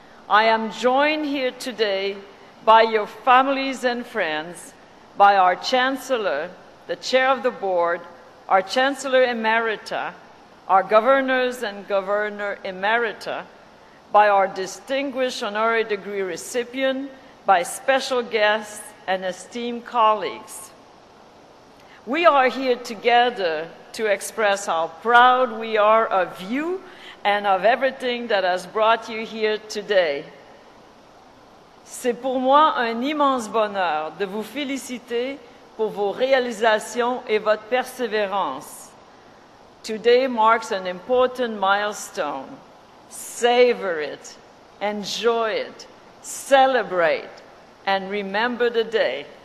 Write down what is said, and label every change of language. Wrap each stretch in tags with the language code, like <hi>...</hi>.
<en>I am joined here today by your families and friends, by our chancellor, the chair of the board, our chancellor emerita, our governors and governor emerita, by our distinguished honorary degree recipient, by special guests and esteemed colleagues. We are here together to express how proud we are of you and of everything that has brought you here today.</en> <fr>C'est pour moi un immense bonheur de vous féliciter pour vos réalisations et votre persévérance.</fr> <en>Today marks an important milestone. Savor it, enjoy it, celebrate, and remember the day.</en>